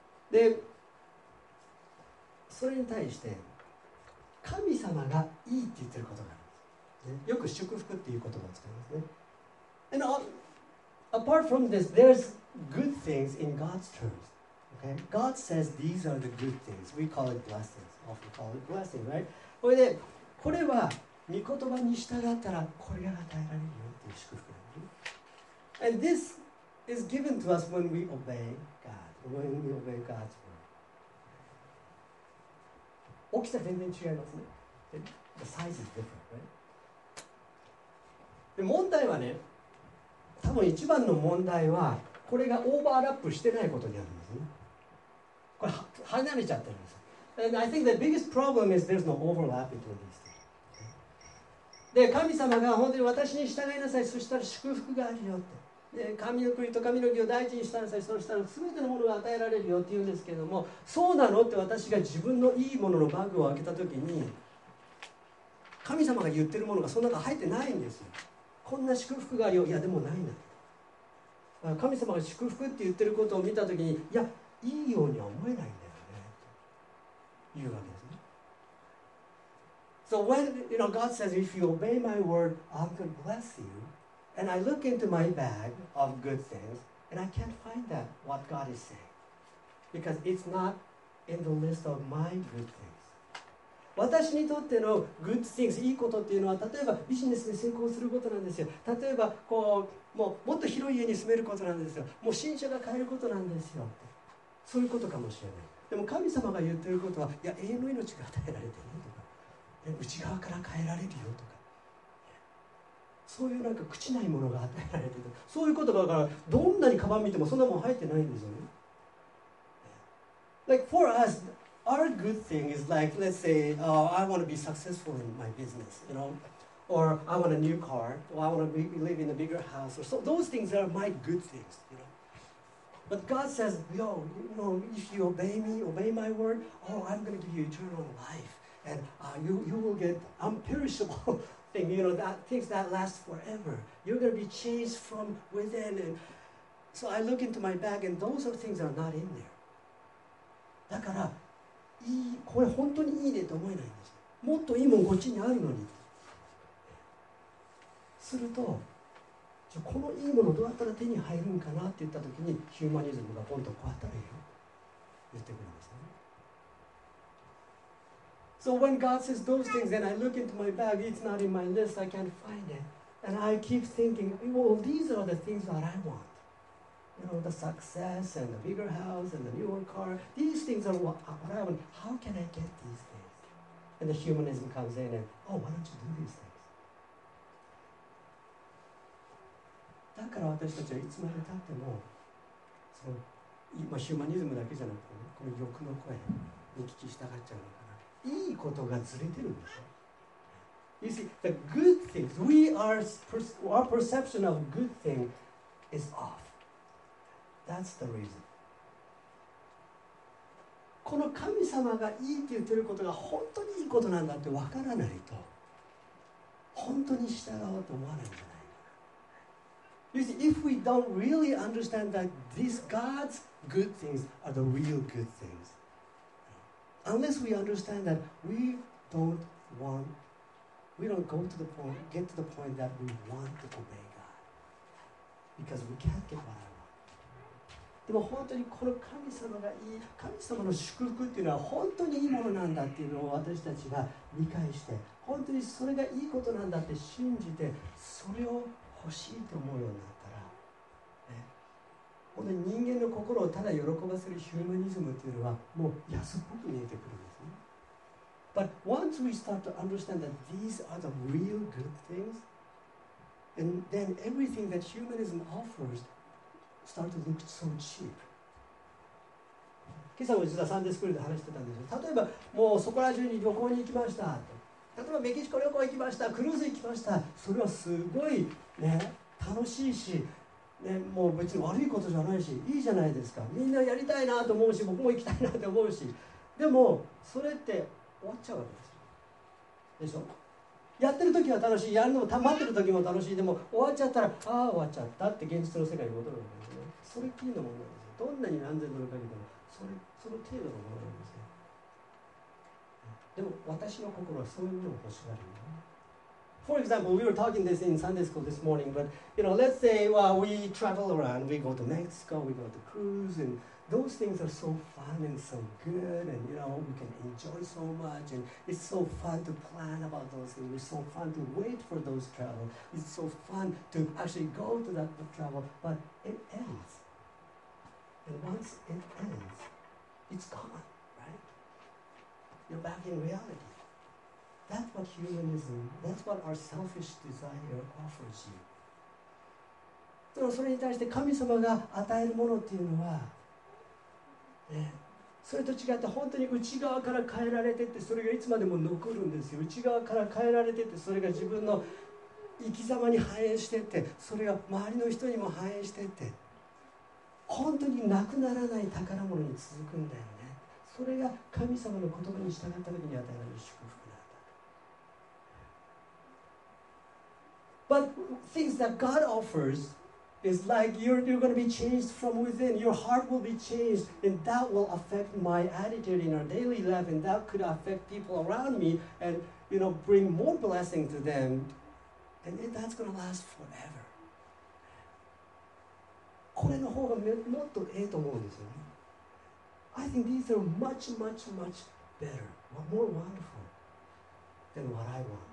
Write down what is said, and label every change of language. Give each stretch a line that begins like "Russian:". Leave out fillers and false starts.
Japanese: で、それに対して、神様がいいって言ってることがあるんです。よく祝福っていう言葉を使いますね。
English: And apart from this, there's good things in God's terms. Okay? God says these are the good things. We call it blessings. Often call it blessing, right?
Japanese: それで、これは御言葉に従ったらこれが与えられるよっていう祝福なんです。
English: And this is given to us when we obey God. When we obey God's word.
Japanese: 大きさ全然違いますね。
English: The size is different, right?
Japanese: で、問題はね、多分一番の問題はこれがオーバーラップしてないことにあるんですね。これ離れちゃってるんです。
English: And I think the biggest problem is there's no overlap between these things.
Japanese: で、神様が本当に私に従いなさい、そしたら祝福があるよって。で、神の国と神の義を大事にしたなさい、そしたら全てのものが与えられるよって言うんですけれども、そうなのって私が自分のいいもののバッグを開けたときに、神様が言ってるものがその中入ってないんですよ。こんな祝福があるよ、いやでもないな。神様が祝福って言ってることを見たときに、いや、いいようには思えないんだよね、というわけですね。
English: So when, you know, God says, if you obey my word, I can bless you, and I look into my bag of good things, and I can't find that, what God is saying. Because it's not in the list of my good things.
Japanese: 私にとってのグッズ・ティングス、いいことっていうのは、例えばビジネスに成功することなんですよ。例えばこう、もっと広い家に住めることなんですよ。もう新車が買えることなんですよ。そういうことかもしれない。でも神様が言っていることは、いや、永遠の命が与えられてるとか、内側から変えられるよとか、そういうなんか朽ちないものが与えられてる。そういうことだから、どんなにカバン見てもそんなもん入ってないんですよね。
English: Like for us,Our good thing is like, let's say, oh, I want to be successful in my business, you know, or I want a new car, or I want to live in a bigger house, or so. Those things are my good things, you know. But God says, yo, you know, if you obey me, obey my word, oh, I'm going to give you eternal life, and you will get imperishable thing, you know, that things that last forever. You're going to be changed from within. And so I look into my bag, and those are things that are not in there.
Japanese: だから、いい、これ本当にいいねと思えないんですよ。もっといいもんこっちにあるのに。すると、じゃこのいいものどうやったら手に入るんかなって言ったときに、ヒューマニズムがポンと壊ったらいいよ。言ってくるんですね。
English: So when God says those things, then I look into my bag, it's not in my list, I can't find it. And I keep thinking, well, these are the things that I want. You know, the success and the bigger house and the newer car. These things are what I want. How can I get these things? And the humanism comes in and, oh, why don't you do these things?
Japanese: だから私たちはいつまでたっても、ヒューマニズムだけじゃなくて、この欲の声に聞き従っちゃうのかな。いいことがずれてるんですよ。
English: You see, the good things, our perception of good thing is off. That's the reason.
Japanese: この神様がいいって言ってることが本当にいいことなんだって分からないと本当に従おうと思わないんじゃないかな。
English: You see, if we don't really understand that these God's good things are the real good things, unless we understand that we don't get to the point that we want to obey God because we can't get what I want.
Japanese: でも本当にこの神様がいい、神様の祝福っていうのは本当にいいものなんだっていうのを私たちが理解して、本当にそれがいいことなんだって信じて、それを欲しいと思うようになったら、ね、本当に人間の心をただ喜ばせるヒューマニズムっていうのはもう安っぽく見えてくるんですね。
English: But once we start to understand that these are the real good things, and then everything that humanism offers,Start to look so cheap.
Japanese: 今朝も実はサンデースクールで話してたんですよ。例えばもうそこら中に旅行に行きましたと。例えばメキシコ旅行行きました。クルーズ行きました。それはすごいね、楽しいし、ね、もう別に悪いことじゃないし、いいじゃないですか。みんなやりたいなと思うし、僕も行きたいなと思うし、でもそれって終わっちゃうわけですよ。でしょ。やってる時は楽しい、やるのも待ってる時も楽しい、でも終わっちゃったら、ああ終わっちゃったって現実の世界に戻るわけですね。それっきりの問題ですよ。どんなに何千ドルかけても、その程度のものなんですね。でも私の心はそういうのを欲しがるんだ。
English: For example, we were talking this in Sunday school this morning, but you know, let's say well, we travel around, we go to Mexico, we go to cruise, and those things are so fun and so good, and you know, we can enjoy so much, and it's so fun to plan about those things, it's so fun to wait for those travel, it's so fun to actually go to that travel, but it ends. And once it ends, it's gone, right? You're back in reality. That's what humanism, that's what our selfish desire offers you.
Japanese: でもそれに対して神様が与えるものっていうのは、ね、それと違って本当に内側から変えられてって、それがいつまでも残るんですよ。内側から変えられてって、それが自分の生き様に反映してって、それが周りの人にも反映してって、本当になくならない宝物に続くんだよね。それが神様の言葉に従った時に与えられる祝福。
English: But things that God offers is like you're going to be changed from within. Your heart will be changed, and that will affect my attitude in our daily life, and that could affect people around me and, you know, bring more blessing to them. And that's going to last forever.
Japanese: これの方がもっとええと思うんですよね。
English: I think these are much, much, much better, more wonderful than what I want.